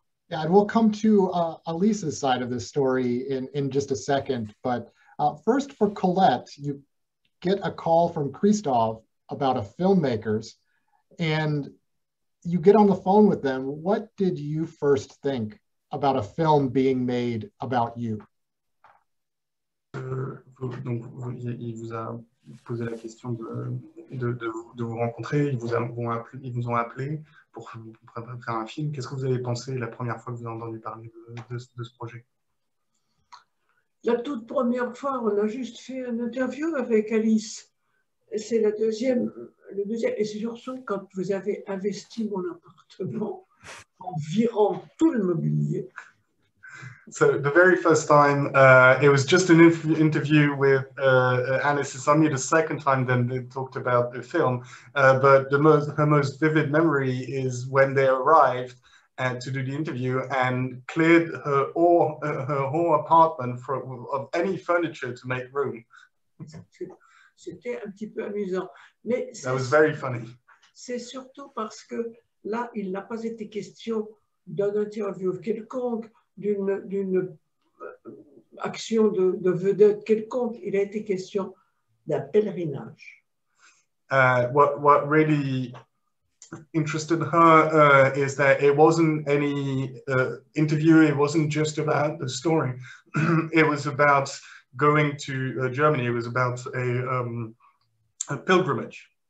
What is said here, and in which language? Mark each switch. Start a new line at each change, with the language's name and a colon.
English: Yeah, and we'll come to Alisa's side of this story in just a second. But first, for Colette, you get a call from Christophe about a filmmaker's, and you get on the phone with them, what did you first think about a film being made about you?
French: Donc, il vous a posé la question de vous rencontrer, ils vous ont appelé pour faire un film. Qu'est-ce que vous avez pensé la première fois que vous avez entendu parler de ce projet? La toute première fois, on a juste fait une interview avec Alice. Et c'est la deuxième, le deuxième, et c'est surtout quand vous avez investi mon appartement en virant tout le mobilier.
English: So the very first time, it was just an interview with Alice. It's only the second time then they talked about the film. But the her most vivid memory is when they arrived to do the interview and cleared her whole apartment of any furniture to make room.
French: C'était un petit peu amusant. Mais
English: that was very funny.
French: C'est surtout parce que là, il n'a pas été question d'une interview quelconque, d'une action de vedette quelconque. Il a été question d'un pèlerinage.
English: What really interested her is that it wasn't any interview, it wasn't just about the story. It was about going to Germany. It was about a pilgrimage.